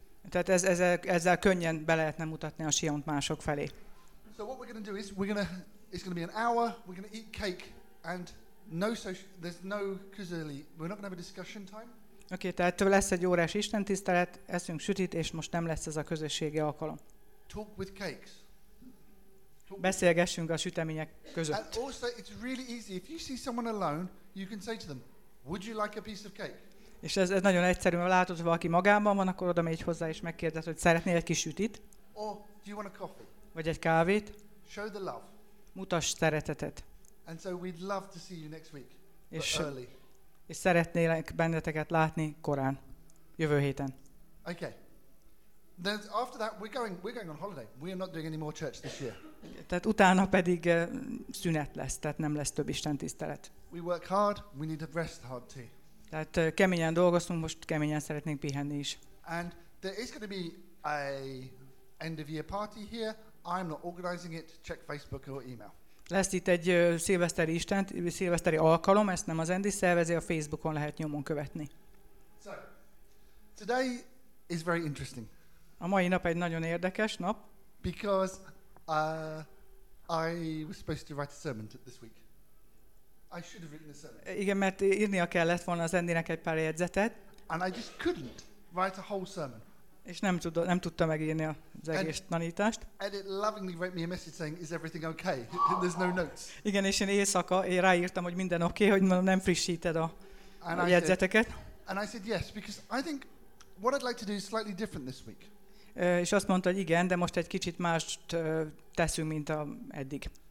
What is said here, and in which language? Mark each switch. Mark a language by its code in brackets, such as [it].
[hu] Tehát ezzel könnyen be lehetne mutatni a Siont mások felé. [en] So what we're going to do is it's going to be an hour, we're going to eat cake and no social, there's no kuzeli. We're not going to have a discussion time. [hu] Oké, tehát től lesz egy órás istentisztelet, eszünk sütit, és most nem lesz ez a közösségi alkalom. [en] Talk with cakes. [hu] Beszélgessünk a sütemények között. [en] And also, it's really easy. If you see someone alone, you can say to them, "Would you like a piece of cake?" [hu] És ez nagyon egyszerű, mert látod, ha valaki magában van, akkor oda megy hozzá és megkérdez, hogy szeretnél egy kis sütit? [en] Or do you want a coffee? [hu] Vagy egy kávét? [en] Show the love. [hu] Mutasd szeretetet. [en] And so we'd love to see you next week. [hu] És szeretnélek benneteket látni korán, jövő héten. [en] Okay. Then after that we're going on holiday. We are not doing any more church this year. [hu] Tehát utána pedig szünet lesz, tehát nem lesz több istentisztelet. [en] We work hard, we need to rest hard too. [hu] Tehát keményen dolgoztunk, most keményen szeretnénk pihenni is. [en] And there is going to be a end of year party here. I'm not organizing it. Check Facebook or email. [hu] Lesz itt egy szilveszteri alkalom, ezt nem az Andy szervezi, a Facebookon lehet nyomon követni. [en] So, today is very interesting. [hu] A mai nap egy nagyon érdekes nap. [en] Because I was supposed to write a sermon this week. I should have written a sermon. [hu] Igen, mert írnia kellett volna az Andynek egy pár jegyzetet. [en] And I just couldn't write a whole sermon. [hu] És nem tudta megírni az egész tanítást. [en] Edit lovingly wrote me a message saying, "Is everything okay? There's no notes." [hu] Igen, és én éjszaka ráírtam, hogy minden oké, hogy nem frissíted a jegyzeteket. [en] And I said yes, because I think what I'd like to do is slightly different this week. [hu] És azt mondta, hogy igen, de most egy kicsit mást teszünk, mint eddig.